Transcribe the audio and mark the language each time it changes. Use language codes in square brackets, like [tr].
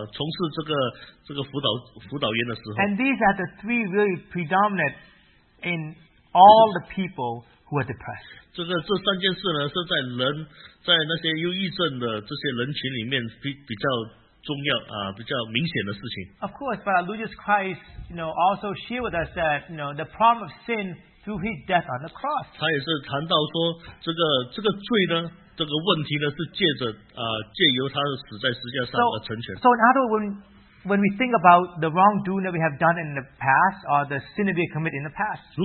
[zh] 因为这么多年我在从事这个辅导员的时候。 [en] And these are the three really predominant in all the people who are depressed. [zh] 这三件事呢是在那些忧郁症的这些人群里面比较重要，比较明显的事情。 [en] Of course, but our Lord Jesus Christ, you know, also shared with us that, you know, the problem of sin through his death on the cross. [zh] 他也是谈到说，这个罪呢，这个问题呢，是借由他死在十字架上而成全。 [en] So in other words, when we think about the wrongdoing that we have done in the past or the sin that we have committed in the past,